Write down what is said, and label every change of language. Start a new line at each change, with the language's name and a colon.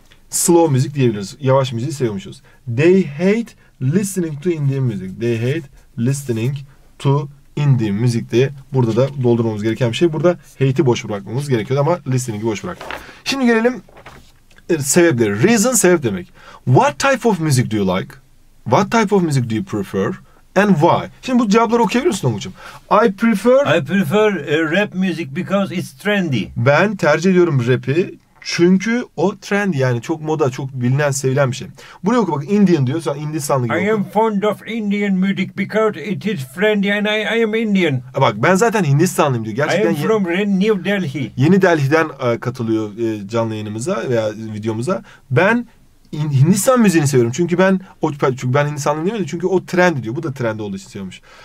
Turkish: Slow müzik diyebiliriz. Yavaş müziği seviyormuşuz.
English: They hate listening to Indian music. They hate listening to indie
Turkish: müzik de burada da doldurmamız gereken bir şey. Burada hate'i boş bırakmamız gerekiyor ama listening'i boş bırak. Şimdi gelelim sebepleri. Reason sebep demek.
English: What type of music do you like? What type of music do you prefer? And why?
Turkish: Şimdi bu cevapları okuyabilir misin Tonguç'um?
English: I prefer rap music because it's trendy.
Turkish: Ben tercih ediyorum rap'i. Çünkü o trend, yani çok moda, çok bilinen, sevilen bir şey. Bunu oku bak, Indian diyor. Sen Hindistanlı gibi oku.
English: I am fond of Indian music because it is trendy and I am Indian.
Turkish: Bak ben zaten Hindistanlıyım diyor. Gerçekten
English: I am from New Delhi.
Turkish: Yeni Delhi'den katılıyor canlı yayınımıza veya videomuza. Ben Hindistan müziğini seviyorum. Çünkü ben o, çünkü ben Hindistanlıyım değil mi? Çünkü o trend diyor. Bu da trend olduğu için seviyormuş.